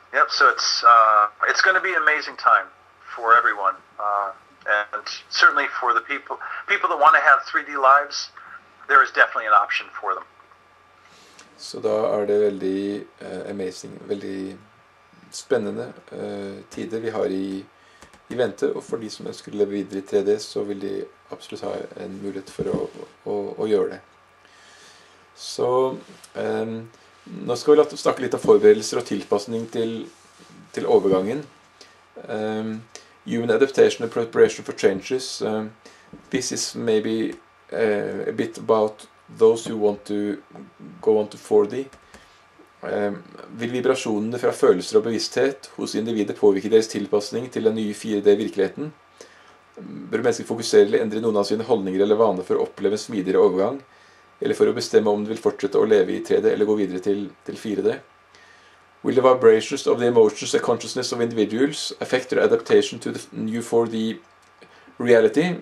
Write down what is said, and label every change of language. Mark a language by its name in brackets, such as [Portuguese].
[English] So it's going to be an amazing time for everyone. And certainly for the people that want to have 3D lives, there is definitely an option for them. [Norwegian] Så da det veldig amazing, veldig spennende tider vi har i vente, og for de som ønsker å leve videre i 3D, så vil de absolutt ha en mulighet for å gjøre det. Så nå skal vi snakke litt om forberedelser og tilpasning til overgangen. [English] Human adaptation and preparation for changes. This is maybe a bit about those who want to go on to 4D. [Norwegian] Vil vibrasjonene fra følelser og bevissthet hos individet påvirke deres tilpasning til den nye 4D-virkeligheten? Bør mennesket fokusere eller endre noen av sine holdninger eller vaner for å oppleve en smidigere overgang, eller for å bestemme om de vil fortsette å leve i 3D eller gå videre til 4D? [English] Will the vibrations of the emotions and consciousness of individuals affect their adaptation to the new 4D reality?